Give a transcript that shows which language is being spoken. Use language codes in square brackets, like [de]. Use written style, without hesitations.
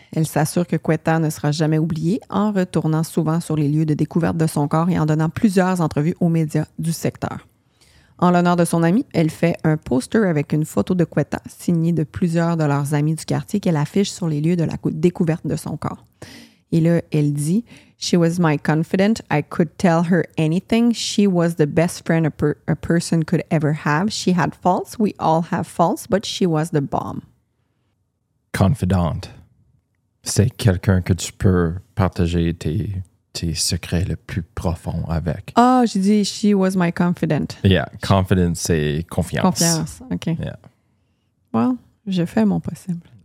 [fr] Elle s'assure que Quetta ne sera jamais oubliée en retournant souvent sur les lieux de découverte de son corps et en donnant plusieurs entrevues aux médias du secteur. En l'honneur de son amie, elle fait un poster avec une photo de Quetta signée de plusieurs de leurs amis du quartier qu'elle affiche sur les lieux de la découverte de son corps. Et là, elle dit « [en] She was my confidant. I could tell her anything. She was the best friend a person could ever have. She had faults. We all have faults, but she was the bomb. » Confidant. [fr] c'est quelqu'un que tu peux partager tes secrets le plus profond avec. Ah, oh, j'ai dit « [en] she was my confident ». [fr] Yeah, confidence, c'est confiance. Confiance, OK. [en] Yeah. [fr] Well, je fais mon possible.